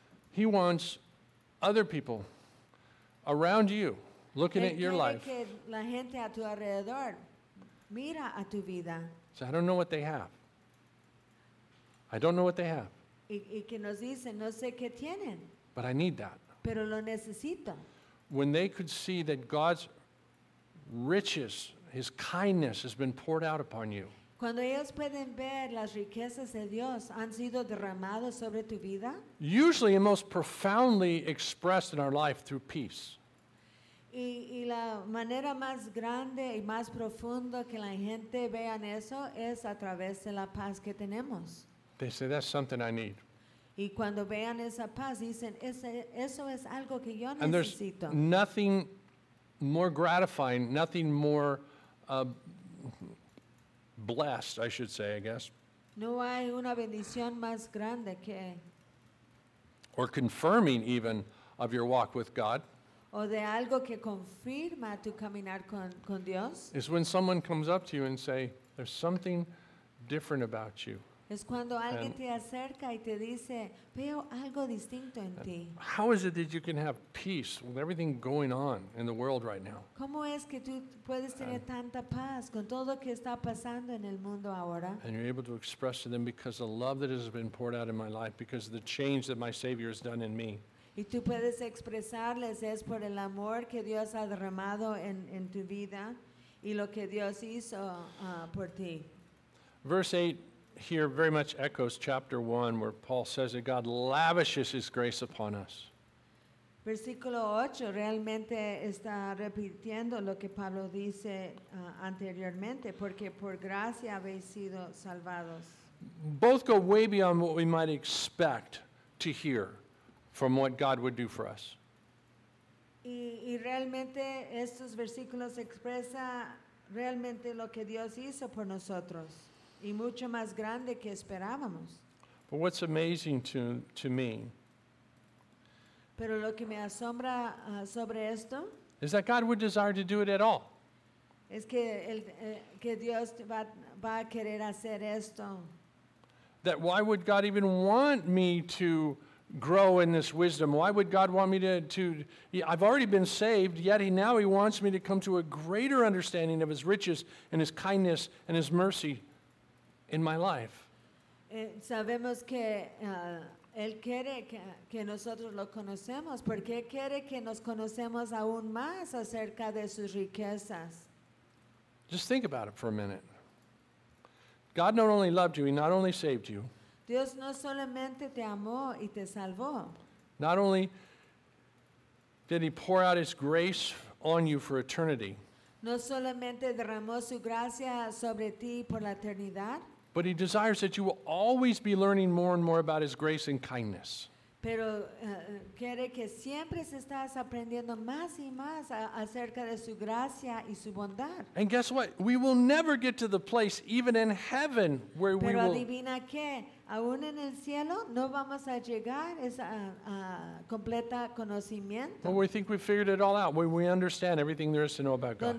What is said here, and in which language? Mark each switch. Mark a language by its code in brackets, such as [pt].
[en] He wants other people around you looking [es] él [en] at your life. [es] Que la gente a tu alrededor mira a tu vida. [en] So I don't know what they have. I don't know what they have. [es] Y que nos dicen, no sé qué tienen. [en] But I need that. [es] Pero lo necesito. [en] When they could see that God's riches, his kindness has been poured out upon you. [es] Cuando ellos pueden ver las riquezas de Dios han sido derramadas sobre tu vida. [en] Usually and most profoundly expressed in our life through peace. [es] Y la manera más grande y más profunda que la gente vea en eso es a través de la paz que tenemos. [en] They say, that's something I need. [es] Y cuando vean esa paz, dicen, eso es algo que yo [en] and [es] necesito. [en] There's nothing more gratifying, nothing more blessed, I should say, I guess. [es] No hay una bendición más grande que... [en] Or confirming even of your walk with God. [es] O de algo que confirma tu caminar con Dios. [en] Is when someone comes up to you and say, there's something different about you. [es] Es cuando alguien te acerca y te dice, veo algo distinto en ti. [en] How is it that you can have peace with everything going on in the world right now? [es] ¿Cómo es que tú puedes tener tanta paz con todo lo que está pasando en el mundo ahora? [en] And you're able to express to them because the love that has been poured out in my life, because of the change that my Savior has done in me. [es] Y tú puedes expresarles es por el amor que Dios ha derramado en tu vida y lo que Dios hizo por ti. [en] Verse 8 here very much echoes chapter 1 where Paul says that God lavishes his grace upon us. [es] Versículo 8 realmente está repitiendo lo que Pablo dice anteriormente, porque por gracia habéis sido salvados. [en] Both go way beyond what we might expect to hear from what God would do for us. [es] Y realmente estos versículos expresa realmente lo que Dios hizo por nosotros y mucho más grande que esperábamos. [en] But what's amazing to me, [es] pero lo que me asombra sobre esto, [en] is that God would desire to do it at all. [es] Es que que Dios va a querer hacer esto. [en] That why would God even want me to grow in this wisdom? Why would God want me to I've already been saved, yet now he wants me to come to a greater understanding of his riches and his kindness and his mercy in my life. [es] Sabemos que él quiere que nosotros lo conocemos, porque quiere que nos conocemos aún más acerca de sus riquezas. [en] Just think about it for a minute. God not only loved you, he not only saved you. [es] Dios no solamente te amó y te salvó. [en] Not only did he pour out his grace on you for eternity. [es] No solamente derramó su gracia sobre ti por la eternidad. [en] But he desires that you will always be learning more and more about his grace and kindness. [es] Pero quiere que siempre estás aprendiendo más y más acerca de su gracia y su bondad. [en] And guess what? We will never get to the place, even in heaven, where [es] pero [en] we will... [es] Pero adivina qué. Aún en el cielo no vamos a llegar a completa conocimiento. [en] Well, we think we figured it all out. We understand everything there is to know about God.